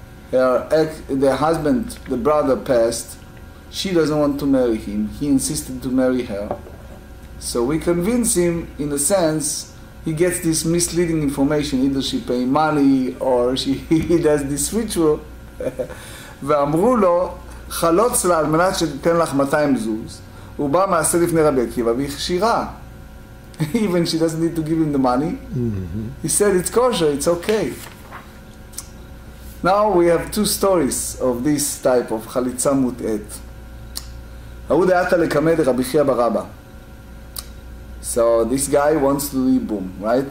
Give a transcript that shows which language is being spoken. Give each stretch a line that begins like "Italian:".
English: Their husband, the brother, passed. She doesn't want to marry him. He insisted to marry her. So we convince him, in a sense, he gets this misleading information. Either she pay money or he does this ritual.
Hebrew: ואמרו לו, חלוץ לה על מנת שתתן לך 200 זוז. הוא בא מעשה לפני רבי עקיבא והיא כשירה.
English: Even she doesn't need to give him the money. He said, it's kosher, it's okay. Now we have two stories of this type of chalitza mut'et.
Hebrew: Ha'ud ha'ata lekamed
English: Rabbi Chiya bar Abba. So this guy wants to do yibum, right?